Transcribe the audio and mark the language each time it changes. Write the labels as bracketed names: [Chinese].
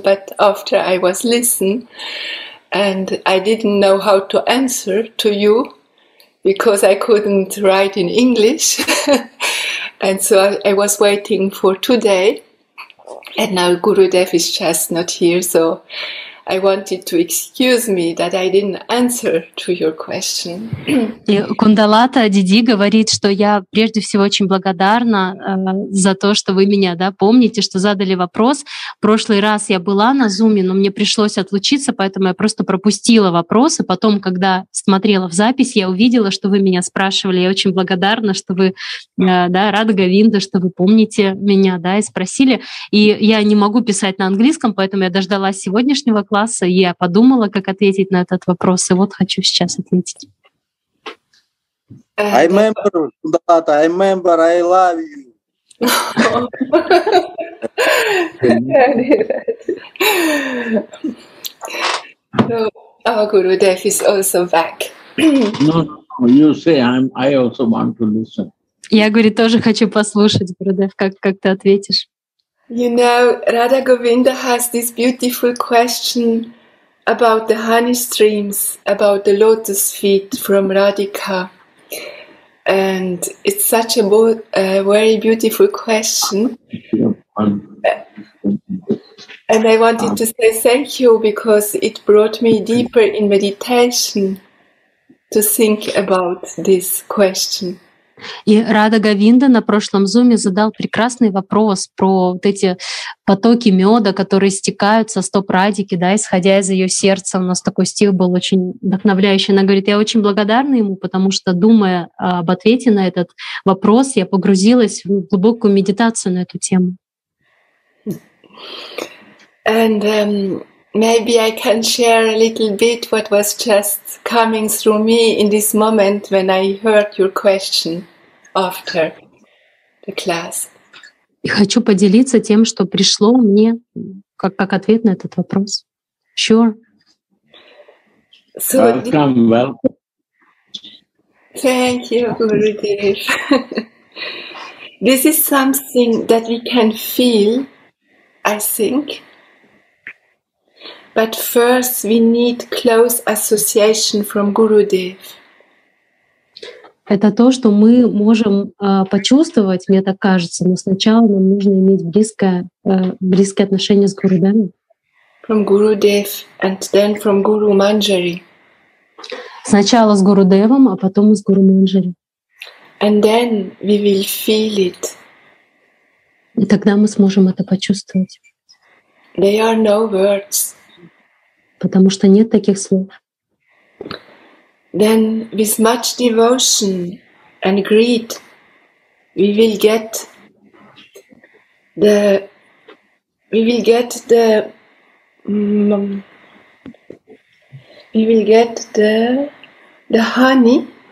[English] But after I was listening, and I didn't know how to answer to you, because I couldn't write in English. And so I was waiting for today. And now Gurudev is just not here, so I wanted to excuse me that I didn't answer to your question. [Russian] Кундалата Диди говорит, что я прежде всего очень благодарна за то, что вы меня, да, помните, что задали вопрос. В прошлый раз я была на Zoom, но мне пришлось отлучиться, поэтому я просто пропустила вопрос. И потом, когда смотрела в запись, я увидела, что вы меня спрашивали. Я очень благодарна, что вы, да, Радха Говинда, что вы помните меня, да, и спросили. И я не могу писать на английском, поэтому я дождалась сегодняшнего класса, я подумала, как ответить на этот вопрос, и вот хочу сейчас ответить. [English] I remember, Kundalata, I remember, I love you. So, oh, Gurudev is also back. No, you say, I also want to listen. [Russian] Я, говорит, тоже хочу послушать, Гурудев, как ты ответишь. [English] You know, Radha Govinda has this beautiful question about the honey streams, about the lotus feet from Radhika. And it's such a very beautiful question. And I wanted to say thank you because it brought me deeper in meditation to think about this question. [Russian] И Радха Говинда на прошлом зуме задал прекрасный вопрос про вот эти потоки меда, которые стекают со стоп Радхики, да, исходя из ее сердца. У нас такой стих был очень вдохновляющий. Она говорит, я очень благодарна ему, потому что, думая об ответе на этот вопрос, я погрузилась в глубокую медитацию на эту тему. [English] And maybe I can share a little bit what was just coming through me in this moment when I heard your question after the class. [Russian] И хочу поделиться тем, что пришло мне как ответ на этот вопрос. [English] Sure. So, welcome, welcome. Thank you, Gurudev. This is something that we can feel, I think. But first we need close association from Gurudev. [Russian] Это то, что мы можем почувствовать, мне так кажется, но сначала нам нужно иметь близкие отношения с Гурудевом. [English] From Gurudev and then from Guru Manjari. [Russian] Сначала с Гурудевом, а потом с Гуру Манджари. [English] And then we will feel it. [Russian] И тогда мы сможем это почувствовать. [English] There are no words. [Russian] Потому что нет таких слов. [English] Then with much devotion and greed we will get the honey.